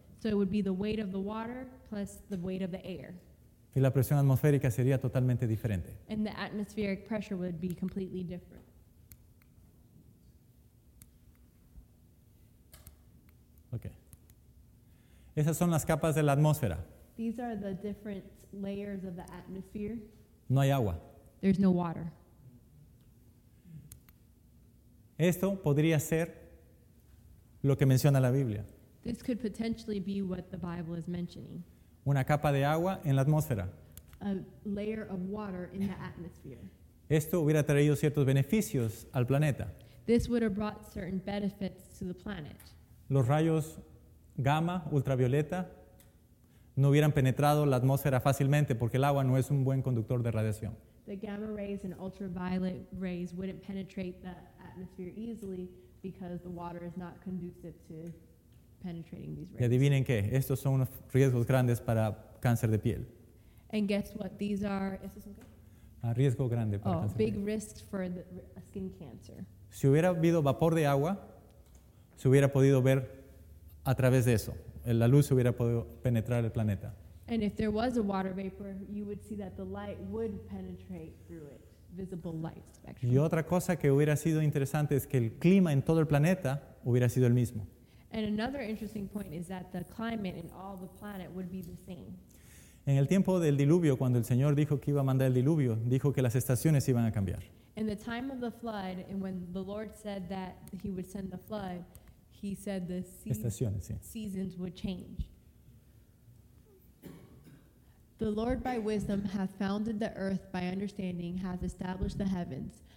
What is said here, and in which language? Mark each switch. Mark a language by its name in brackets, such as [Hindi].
[English] So it would be the weight of the water plus the weight of the air. [Spanish] Y la presión atmosférica sería totalmente diferente. [English] And the atmospheric pressure would be completely different. Okay. [Spanish] Esas son las capas de la atmósfera. [English] These are the different layers of the atmosphere. [Spanish] No hay agua. [English] There's no water. [Spanish] Esto podría ser lo que menciona la Biblia. [English] This could potentially be what the Bible is mentioning. [Spanish] Una capa de agua en la atmósfera. [English] A layer of water in the atmosphere. [Spanish] Esto hubiera traído ciertos beneficios al planeta. [English] This would have brought certain benefits to the planet. [Spanish] Los rayos gamma, ultravioleta, no hubieran penetrado la atmósfera fácilmente porque el agua no es un buen conductor de radiación. [English] The gamma rays and ultraviolet rays wouldn't penetrate the atmosphere easily because the water is not conducive to penetrating these rays. [Spanish] ¿Y adivinen qué? Estos son unos riesgos grandes para cáncer de piel. [English] And guess what? These are... [Spanish] ¿Eso es un qué? A riesgo grande para cáncer. [English] Oh, big risk for the skin cancer. [Spanish] Si hubiera habido vapor de agua, se hubiera podido ver a través de eso. La luz hubiera podido penetrar el planeta. [English] And if there was a water vapor, you would see that the light would penetrate through it, visible light spectrum. [Spanish] Y otra cosa que hubiera sido interesante es que el clima en todo el planeta hubiera sido el mismo. [English] And another interesting point is that the climate in all the planet would be the same. [Spanish] En el tiempo del diluvio, cuando el Señor dijo que iba a mandar el diluvio, dijo que las estaciones iban a cambiar. [English] In the time of the flood, and when the Lord said that he would send the flood, he said the seasons would change. The Lord by wisdom hath founded the earth, by understanding hath established the heavens.